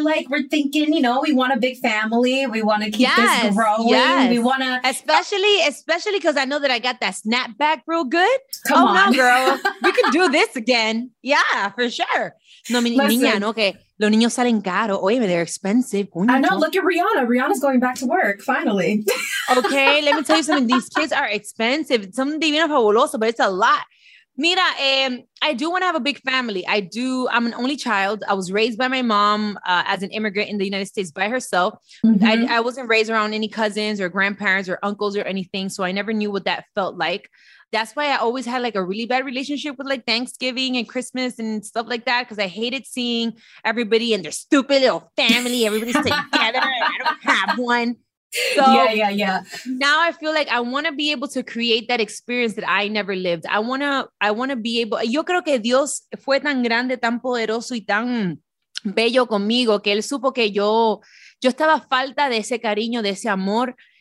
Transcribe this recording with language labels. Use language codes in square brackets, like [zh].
[en] We're thinking, you know, we want a big family. We want to keep this growing. Yes. We want to, especially because I know that I got that snapback real good. Come on, girl. We can do this again. Yeah, for sure. [es] No, niña, no, que los niños salen caro. [en] Oye, they're expensive. I know. Look at Rihanna. Rihanna's going back to work, finally. Okay, let me tell you something. These kids are expensive. Some [es] divino fabuloso, [en] but it's a lot. Mira, I do want to have a big family. I do. I'm an only child. I was raised by my mom as an immigrant in the United States by herself. Mm-hmm. I wasn't raised around any cousins or grandparents or uncles or anything. So I never knew what that felt like. That's why I always had like a really bad relationship with like Thanksgiving and Christmas and stuff like that. Cause I hated seeing everybody and their stupid little family. Everybody's together. And I don't have one. So yeah. Now I feel like I want to be able to create that experience that I never lived. I want to be able, [es] yo creo que Dios fue tan grande, tan poderoso y tan bello conmigo que él supo que yo estaba falta de ese cariño, de ese amor.